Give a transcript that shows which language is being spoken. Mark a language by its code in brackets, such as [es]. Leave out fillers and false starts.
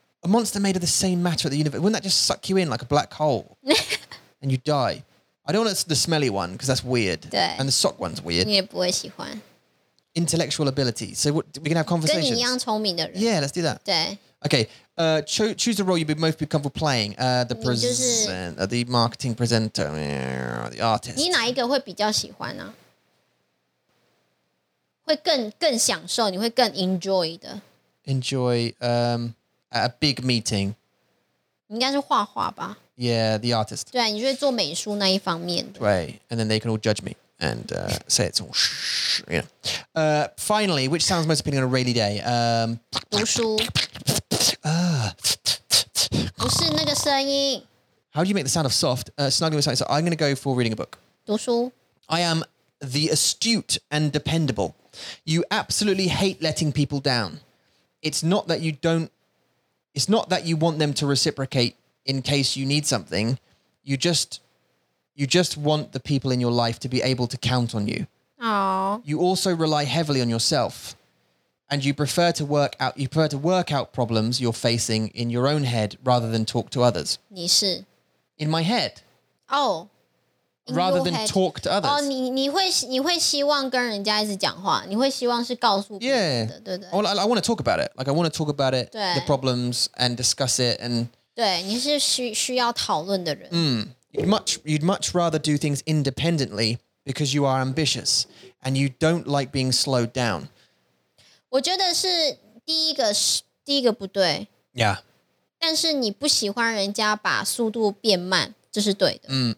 [en] A monster made of the same matter at the universe. Wouldn't that just suck you in like a black hole? And you die. I don't want the smelly one because that's weird. And the sock one's weird. [zh] 你也不会喜欢。 [en] Intellectual ability. So we can have conversations. [zh] 跟你一样聪明的人。 [en] Yeah, let's do that. [zh] 对。 [en] Okay, choose the role you'd most be comfortable playing. The presenter, [zh] 你就是... [en] the marketing presenter, the artist. [zh] 你哪一个会比较喜欢啊? 会更享受,你会更 enjoy 的。 [en] Enjoy, At a big meeting. [zh] 应该是画画吧? [en] Yeah, the artist. [zh] 对,你就会做美术那一方面的。 [en] Right, and then they can all judge me and say it's all shh, you know. Finally, which sounds most appealing on a rainy day? [zh] 读书。不是那个声音。 [en] How do you make the sound of soft? Snuggling with something. So I'm going to go for reading a book. [zh] 读书。 [en] I am the astute and dependable. You absolutely hate letting people down. It's not that you want them to reciprocate in case you need something. You just want the people in your life to be able to count on you. Aww. You also rely heavily on yourself. And you prefer to work out problems you're facing in your own head rather than talk to others. [zh] 你是。 [en] In my head. Oh. Rather than talk to others. [zh] Oh, 你会希望跟人家一直讲话，你会希望是告诉别人的，对对。 [en] Well, I want to talk about it. Like, I want to talk about it, the problems, and discuss it, and... [zh] 对，你是需要讨论的人。 [en] You'd much rather do things independently because you are ambitious, and you don't like being slowed down. [zh] 我觉得是第一个不对。 [en] Yeah. [zh] 但是你不喜欢人家把速度变慢，这是对的。